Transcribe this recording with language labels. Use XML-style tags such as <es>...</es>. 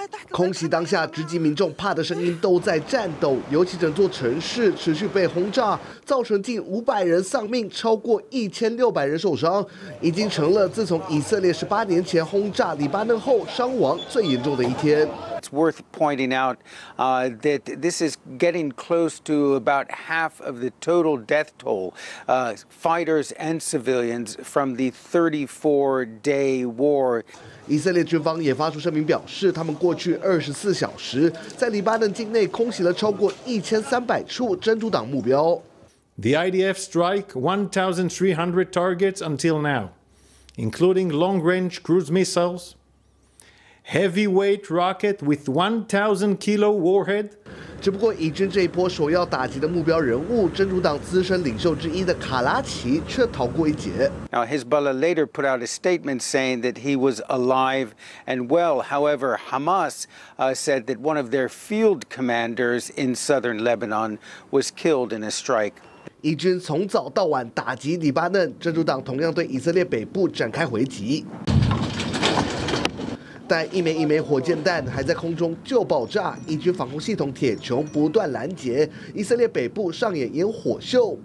<zh>空袭当下，直击民众怕的声音都在颤抖，尤其整座城市持续被轰炸，造成近500人丧命，超过1600人受伤，已经成了自从以色列18年前轰炸黎巴嫩后伤亡最严重的一天。</zh> <en>It's worth pointing out that this is getting close to about half of the total death toll, fighters and civilians from the 34-day war.</en> <zh>以色列军方也发出声明表示，他们过去24小时在黎巴嫩境内空袭了超过1300处真主党目标。</zh> <en>The IDF strike 1,300 targets until now, including long-range cruise missiles. Heavyweight rocket with 1,000 kilo warhead.</en> <zh>只不过以军这一波首要打击的目标人物，真主党资深领袖之一的卡拉奇却逃过一劫。</zh> <en>Now Hezbollah later put out a statement saying that he was alive and well. However, Hamas said that one of their field commanders in southern Lebanon was killed in a strike.</en> <zh>以军从早到晚打击黎巴嫩，真主党同样对以色列北部展开回击。但一枚一枚火箭弹还在空中就爆炸，以军防空系统铁穹不断拦截，以色列北部上演烟火秀。</zh>